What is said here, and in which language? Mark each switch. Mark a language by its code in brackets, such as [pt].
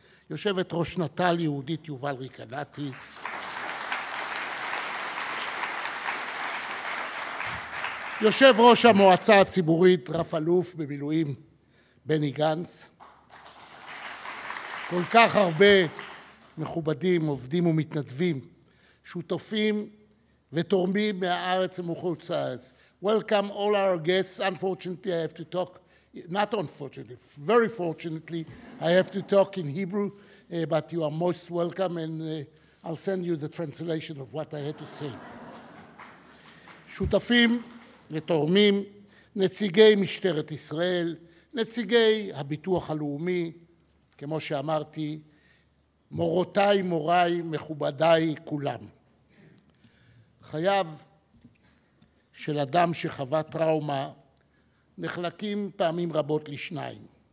[he] יושבת ראש נט"ל יהודית יובל ריקנטי, יושב ראש המועצה הציבורית רב אלוף במילואים בני גנץ, כל כך הרבה מכובדים, עובדים ומתנדבים, שותפים ותורמים מהארץ ומחוץ לארץ. [en] Welcome all our guests. Unfortunately, I have to talk, not unfortunately, very fortunately, I have to talk in Hebrew, but you are most welcome, and I'll send you the translation of what I had to say. [he] שותפים ותורמים, נציגי משטרת ישראל, נציגי הביטוח הלאומי, כמו שאמרתי, מורותיי, מוריי, מכובדיי, כולם. חייו של אדם שחווה טראומה נחלקים פעמים רבות לשניים.